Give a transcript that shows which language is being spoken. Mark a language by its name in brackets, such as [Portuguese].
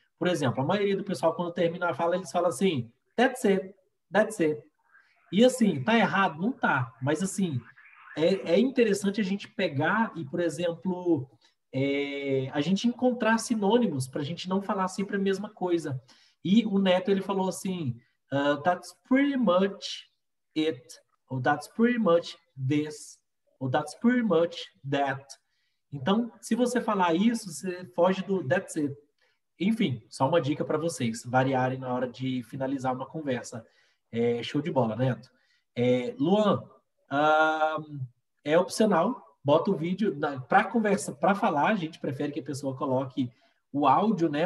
[Portuguese] Por exemplo, a maioria do pessoal, quando termina a fala, eles falam assim, [English] that's it. [Portuguese] E assim, tá errado? Não tá. Mas assim, é interessante a gente pegar e, por exemplo, a gente encontrar sinônimos para a gente não falar sempre a mesma coisa. E o Neto, ele falou assim, [English] that's pretty much it, or that's pretty much this, or that's pretty much that. [Portuguese] Então, se você falar isso, você foge do [English] that's it. [Portuguese] Enfim, só uma dica para vocês variarem na hora de finalizar uma conversa. É show de bola, Neto. Luan, é opcional. Bota o vídeo para conversa, para falar. A gente prefere que a pessoa coloque o áudio, né?